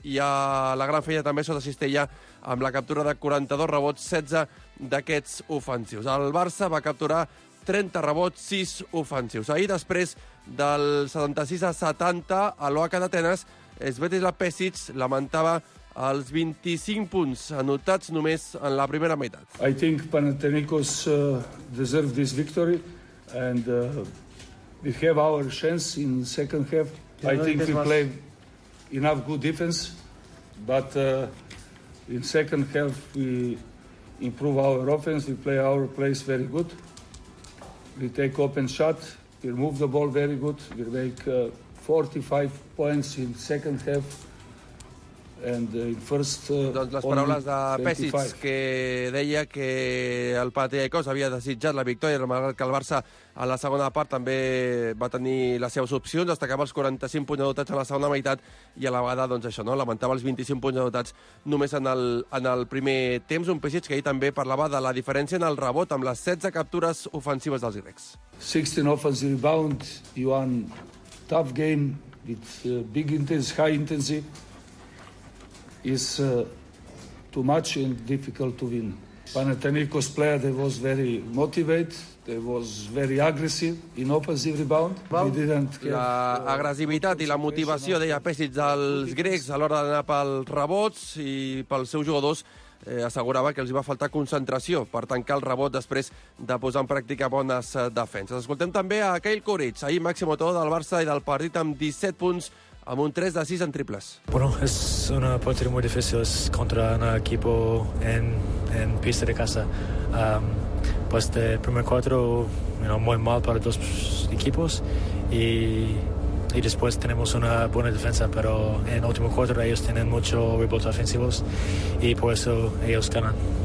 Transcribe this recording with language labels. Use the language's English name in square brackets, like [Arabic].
[Catalan] I a la gran feina també sota Cistella amb la captura de 42 rebots, 16 d'aquests ofensius. El Barça va capturar 30 rebots, 6 ofensius. Ahir, després del 76-70, a l'OHK d'Atenes, Svetislav Pesic lamentava els 25 punts anotats només en la primera meitat. [English] I think Panathinaikos deserve this victory and... We have our chance in second half. I think we play enough good defense, but in second half we improve our offense, we play our plays very good. We take open shot, we move the ball very good, we make 45 points in second half. And in first, [Catalan] doncs les paraules de Pesic, que deia que el Panathinaikos havia desitjat la victòria, malgrat que el Barça a la segona part també va tenir les seves opcions, destacava els 45 punts anotats a la segona meitat i a la vegada, doncs això, no? Lamentava els 25 punts anotats només en el primer temps. Un Pesic que ahir també parlava de la diferència en el rebot amb les 16 captures ofensives dels grecs. [English] 16 offensive rebounds, you won a tough game with big intense, high intensity. Is too much and difficult to win. Panathinaikos player, they was very motivated, they was very aggressive in offensive rebound. We didn't care. [Catalan] La agressivitat i la motivació, deia Pesic, dels grecs a l'hora d'anar pels rebots i pels seus jugadors, assegurava que els va faltar concentració per tancar el rebot després de posar en pràctica bones defenses. Escoltem també a Kyle Kuric, ahir màxim anotador del Barça i del partit amb 17 punts, amb un 3 de 6 en triples. [Spanish] Bueno, es un partido muy difícil, es contra un equipo en pista de casa. Pues de primer cuarto, [English] you know, [Spanish] muy mal para dos equipos y después tenemos una buena defensa, pero en último cuarto ellos tienen mucho rebote ofensivos y por eso ellos ganan.